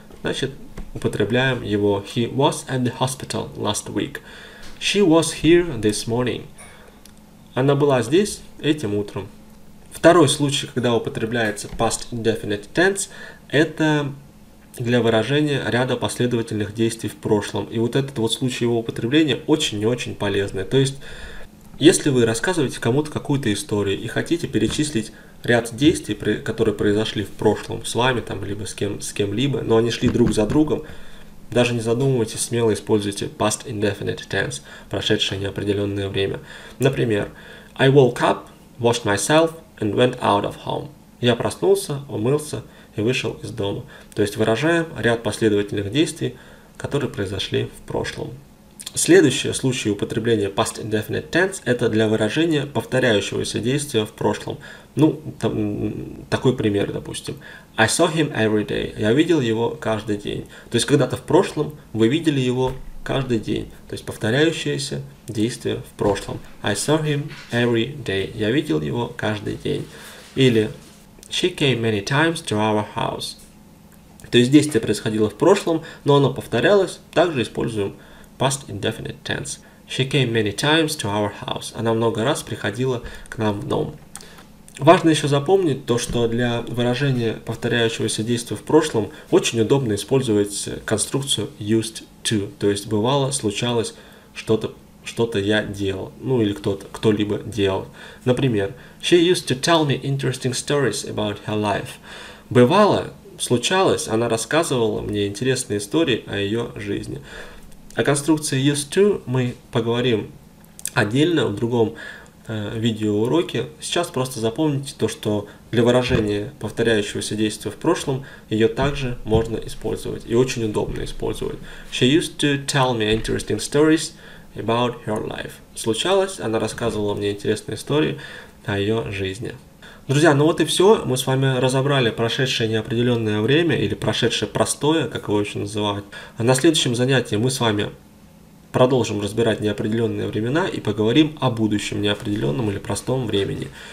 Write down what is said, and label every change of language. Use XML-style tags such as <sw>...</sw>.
<ru>Значит, употребляем его.</ru> <en>He was at the hospital last week. She was here this morning.</en> <ru>Она была здесь этим утром. Второй случай, когда употребляется past indefinite tense, это для выражения ряда последовательных действий в прошлом. И вот этот вот случай его употребления очень и очень полезный. То есть, если вы рассказываете кому-то какую-то историю и хотите перечислить ряд действий, которые произошли в прошлом с вами, там, либо с кем-либо, но они шли друг за другом, даже не задумывайтесь, смело используйте past indefinite tense, прошедшее неопределенное время.</ru> <en>Например, I woke up, washed myself, and went out of home.</en> <ru>Я проснулся, умылся и вышел из дома. То есть выражаем ряд последовательных действий, которые произошли в прошлом. Следующий случай употребления past indefinite tense – это для выражения повторяющегося действия в прошлом. Ну, такой пример, допустим.</ru> <en>I saw him every day.</en> <ru>Я видел его каждый день. То есть когда-то в прошлом вы видели его каждый день. То есть повторяющееся действие в прошлом.</ru> <en>I saw him every day.</en> <ru>Я видел его каждый день.</ru> <en>Или she came many times to our house.</en> <ru>То есть действие происходило в прошлом, но оно повторялось. Также используем</ru> <en>past indefinite tense. She came many times to our house.</en> <ru>Она много раз приходила к нам в дом. Важно еще запомнить то, что для выражения повторяющегося действия в прошлом очень удобно использовать конструкцию used to. То есть бывало, случалось, что-то я делал, ну или кто-либо делал.</ru> <en>Например, she used to tell me interesting stories about her life.</en> <ru>Бывало, случалось, она рассказывала мне интересные истории о ее жизни. О конструкции used to мы поговорим отдельно в другом видеоуроки. Сейчас просто запомните то, что для выражения повторяющегося действия в прошлом ее также можно использовать и очень удобно использовать.</ru> <en>She used to tell me interesting stories about her life.</en> <ru>Случалось, она рассказывала мне интересные истории о ее жизни. Друзья, ну вот и все. Мы с вами разобрали прошедшее неопределенное время или прошедшее простое, как его еще называют. А на следующем занятии мы с вами продолжим разбирать неопределенные времена и поговорим о будущем неопределенном или простом времени.</ru>